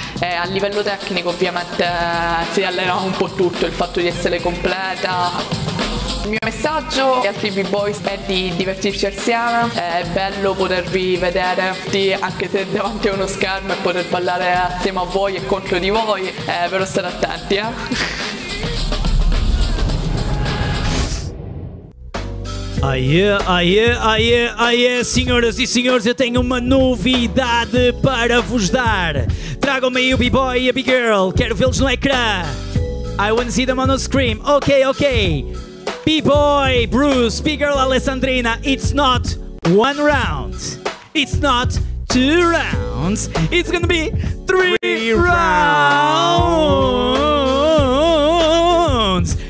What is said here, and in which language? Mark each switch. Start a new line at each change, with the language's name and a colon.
Italian: E a livello tecnico ovviamente si allena un po' tutto, il fatto di essere completa. Il mio messaggio agli altri b-boys è di divertirci insieme, è bello potervi vedere tutti anche se davanti a uno schermo e poter ballare assieme a voi e contro di voi, però state attenti.
Portuguese: Aie, senhoras e senhores, eu tenho uma novidade para vos dar. Tragam-me aí o b-boy e a b-girl, quero vê-los no ecrã.
English: I want to see them on the screen, ok, ok. B-boy, Bruce, B-girl, Alessandrina, it's not one round, it's not two rounds, it's gonna be three rounds.